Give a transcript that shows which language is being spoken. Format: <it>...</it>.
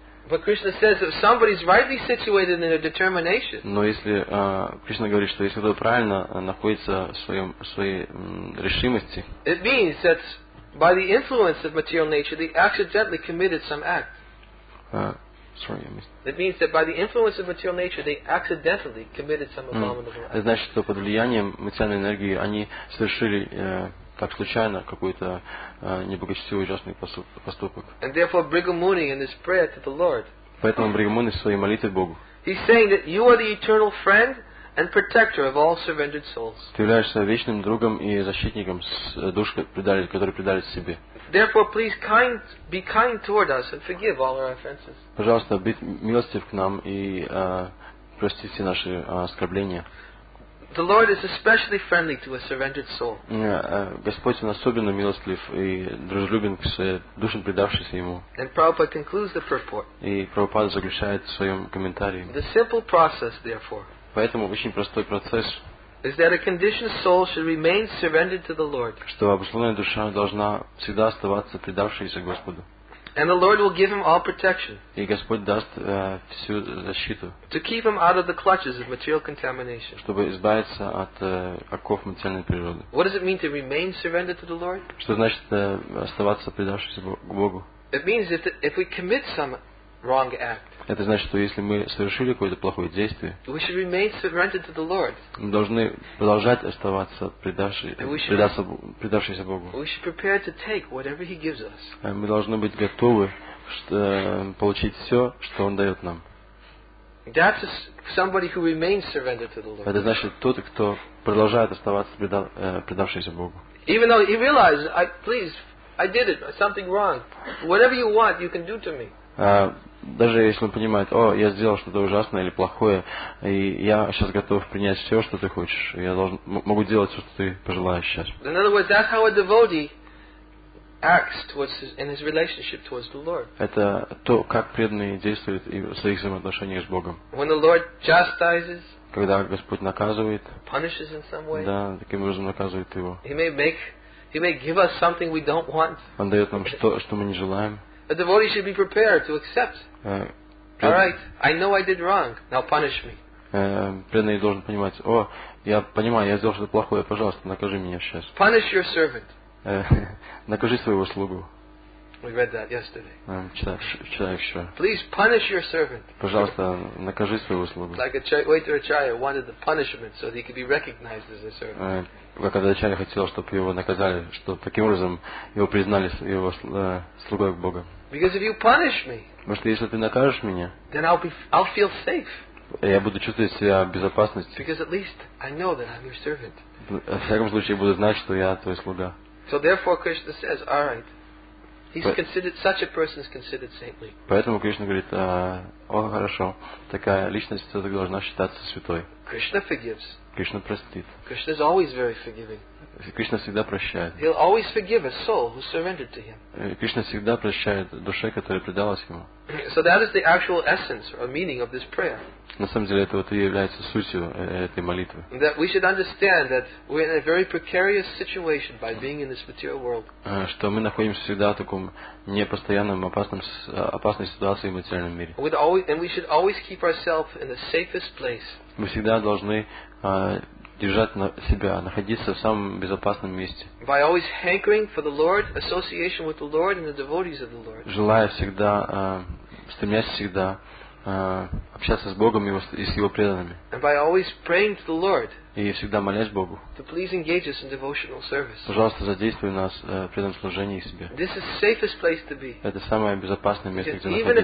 <en>But Krishna says if somebody's rightly situated in their determination.</en> <ru>Но если Кришна говорит, что если кто-то правильно находится в своем своей решимости.</ru> <en>It means that by the influence of material nature, they accidentally committed some act. It means that by the influence of material nature, they accidentally committed some abominable act.</en> <ru>Это значит, что под влиянием материальной энергии они совершили так случайно какой-то неблагочестивый ужасный поступок.</ru> <en>And therefore, Bhriga Muni in his prayer to the Lord.</en> <ru>Поэтому Бхрига Муни в своей молитве Богу.</ru> <en>He's saying that you are the eternal friend and protector of all surrendered souls.</en> <ru>Ты являешься вечным другом и защитником душ, которые предались себе.</ru> <en>Therefore, please be kind toward us and forgive all our offenses.</en> <ru>Пожалуйста, будь милостив к нам и простите наши оскорбления.</ru> <en>The Lord is especially friendly to a surrendered soul.</en> <ru>Господь он особенно милостлив и дружелюбен к душам, предавшимся ему.</ru> <en>And Prabhupada concludes the purport.</en> <ru>И Прабхупада заключает в своем комментарии.</ru> <en>The simple process, therefore.</en> <ru>Поэтому очень простой процесс.</ru> <en>Is that a conditioned soul should remain surrendered to the Lord.</en> <ru>Что обусловленная душа должна всегда оставаться предавшейся Господу.</ru> <en>And the Lord will give him all protection.</en> <ru>И Господь даст всю защиту.</ru> <en>To keep him out of the clutches of material contamination.</en> <ru>Чтобы избавиться от оков материальной природы.</ru> <en>What does it mean to remain surrendered to the Lord?</en> <ru>Что значит оставаться предавшимся Богу?</ru> <en>It means if we commit some wrong act.</en> <ru>Это значит, что если мы совершили какое-то плохое действие,</ru> <en>we should remain surrendered to the Lord.</en> <ru>Мы должны продолжать оставаться предавшимся Богу.</ru> <en>We should prepare to take whatever He gives us.</en> <ru>Мы должны быть готовы получить все, что Он дает нам.</ru> <en>That's somebody who remains surrendered to the Lord.</en> <ru>Это значит тот, кто продолжает оставаться предавшимся Богу.</ru> <en>Even though he realizes, please, I did it, something wrong. Whatever you want, you can do to me.</en> <ru>Даже если он понимает, о, я сделал что-то ужасное или плохое, и я сейчас готов принять все, что ты хочешь, я могу делать все, что ты пожелаешь сейчас.</ru> <en>In other words, that's how a devotee acts towards in his relationship towards the Lord.</en> <ru>Это то, как преданные действуют в своих взаимоотношениях с Богом.</ru> <en>When the Lord chastises,</en> <ru>когда Господь наказывает,</ru> <en>punishes in some way,</en> <ru>да, таким образом наказывает его.</ru> <en>He may give us something we don't want.</en> <ru>Он дает нам что мы не желаем.</ru> <en>A devotee should be prepared to accept. All right, I know I did wrong. Now punish me.</en> <ru>Преданный должен понимать, о, я понимаю, я сделал что-то плохое, пожалуйста, накажи меня сейчас.</ru> <en>Punish your servant.</en> <ru>Накажи своего слугу.</ru> <en>We read that yesterday.</en> <ru>Читаю еще.</ru> <en>Please punish your servant.</en> <ru>Пожалуйста, накажи своего слугу.</ru> <en>Like a waiter acharya wanted the punishment so that he could be recognized as a servant.</en> <ru>Как Ачарья хотел, чтобы его наказали, чтобы таким образом его признали его слугой Бога.</ru> <en>Because if you punish me,</en> <ru>потому что если ты накажешь меня,</ru> <en>then I'll feel safe.</en> <ru>Я буду чувствовать себя в безопасности.</ru> <en>Because at least I know that I'm your servant.</en> <ru>В всяком случае, я буду знать, что я твой слуга.</ru> <en>So therefore, Krishna says, all right. He's considered such a person is considered saintly.</en> <ru>Поэтому Кришна говорит, о, хорошо, такая личность все-таки должна считаться святой.</ru> <en>Krishna forgives.</en> <ru>Кришна простит.</ru> <en>Krishna is always very forgiving.</en> <ru>Кришна всегда прощает.</ru> <en>He'll always forgive a soul who surrendered to him.</en> <ru>Кришна всегда прощает душе, которая предалась ему.</ru> <en>So that is the actual essence or meaning of this prayer.</en> <ru>На самом деле это вот и является сутью этой молитвы.</ru> <en>That we should understand that we're in a very precarious situation by being in this material world.</en> <ru>Что мы находимся всегда в таком непостоянном опасной ситуации в материальном мире.</ru> <en>And we should always keep ourselves in the safest place.</en> <ru>Мы всегда должны держать на себя, находиться в самом безопасном месте.</ru> <en>By always hankering for the Lord, association with the Lord and the devotees of the Lord.</en> <ru>Желая всегда, стремясь всегда общаться с Богом и с Его преданными.</ru> <en>And by always praying to the Lord.</en> <ru>И всегда молясь Богу.</ru> <en>To please engage us in devotional service.</en> <ru>Пожалуйста, задействуй нас в преданном служении себе.</ru> <en>This is the safest place to be.</en> <ru>Это самое безопасное место, где находиться.</ru>